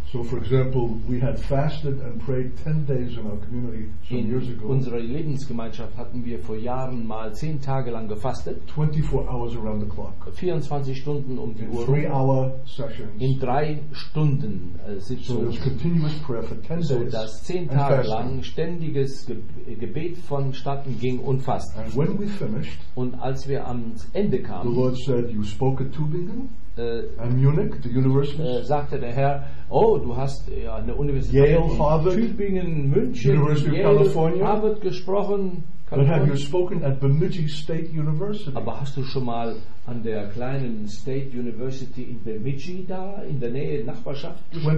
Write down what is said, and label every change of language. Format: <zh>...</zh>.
<en>So, for example, we had fasted and prayed 10 days in our community some years ago.</en> <de>In unserer Lebensgemeinschaft hatten wir vor Jahren mal 10 Tage lang gefastet.</de> <en>24 hours around the clock.</en> <de>24 Stunden um die Uhr.</de> <en>3 hour sessions.</en> <de>In 3 Stunden Sitzungen.</de> <en>So there was continuous prayer for 10 days.</en> <de>So dass 10 Tage lang ständiges Gebet vonstatten ging und fasten.</de> <en>And when we finished,</en> <de>und als wir am Ende kamen,</de> <en>the Lord said, "You spoke at Tübingen." And Munich, the university.</en> <de>Sagte der Herr, oh, du hast ja eine Universität</de> <en>Yale,</en> <de>in</de> <en>Harvard,</en> <de>Tübingen, München,</de> <en>University Yale, of California.</en> <de>Harvard gesprochen.</de> <en>But have you spoken at Bemidji State University?</en> <de>Aber hast du schon mal an der kleinen State University in Bemidji da, in der Nähe, Nachbarschaft gesprochen?</de>